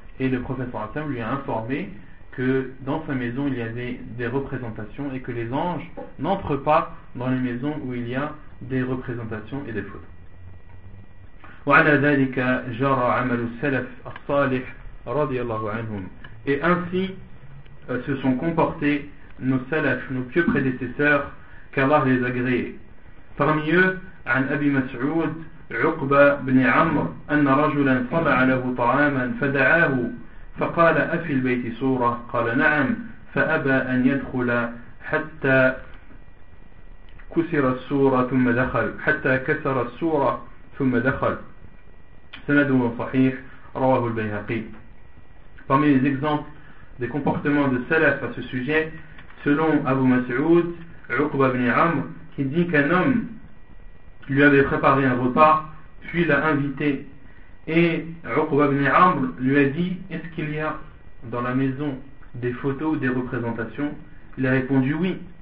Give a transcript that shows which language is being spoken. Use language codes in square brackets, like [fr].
[fr] Et le prophète sallallahu alayhi wa sallam lui a informé que dans sa maison il y avait des représentations et que les anges n'entrent pas dans les maisons où il y a des représentations et des photos. [ar] Wa ala dhalika jara amalu salaf as-salih radiallahu anhum. [fr] Et ainsi se sont comportés nos salafs, nos pieux prédécesseurs, qu'Allah les agréé. Parmi eux, [ar] عن أبي مسعود عقبة بن عمرو أن رجلا صنع له طعاما فدعاه فقال أفي البيت صورة؟ قال نعم فأبى أن يدخل حتى كسر السورة ثم دخل حتى كسر السورة ثم دخل. سنده صحيح رواه البيهقي. [fr] Parmi les exemples des comportements de salaf à ce sujet, selon Abu Mas'ud, Uqba ibn Amr, qui dit qu'un homme lui avait préparé un repas, puis l'a invité. Et Uqba ibn Amr lui a dit: est-ce qu'il y a dans la maison des photos ou des représentations? Il a répondu oui.